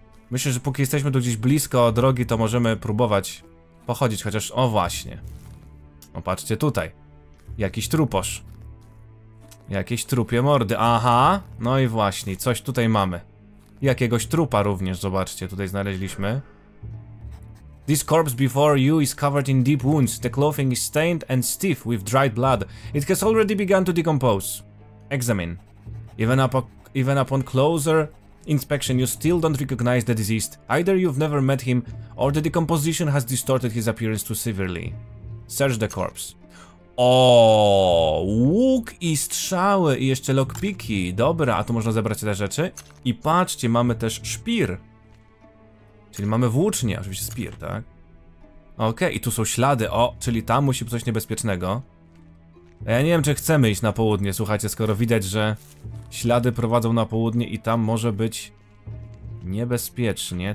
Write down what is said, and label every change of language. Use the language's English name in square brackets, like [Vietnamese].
[Polish] Myślę, że póki jesteśmy tu gdzieś blisko drogi, to możemy próbować pochodzić, chociaż... O, właśnie. O, patrzcie tutaj. Jakiś truposz. Jakieś trupie mordy, aha! No i właśnie, coś tutaj mamy. Jakiegoś trupa również, zobaczcie, tutaj znaleźliśmy. [English] This corpse before you is covered in deep wounds. The clothing is stained and stiff with dried blood. It has already begun to decompose. Examine. Even upon closer inspection, you still don't recognize the deceased. Either you've never met him, or the decomposition has distorted his appearance too severely. Search the corpse. [Polish] O, łuk i strzały i jeszcze lockpiki. Dobra, a tu można zebrać te rzeczy. I patrzcie, mamy też szpir. Czyli mamy włócznie, oczywiście szpir, tak? Okej, i tu są ślady. O, czyli tam musi być coś niebezpiecznego. A ja nie wiem, czy chcemy iść na południe, słuchajcie, skoro widać, że ślady prowadzą na południe i tam może być niebezpiecznie.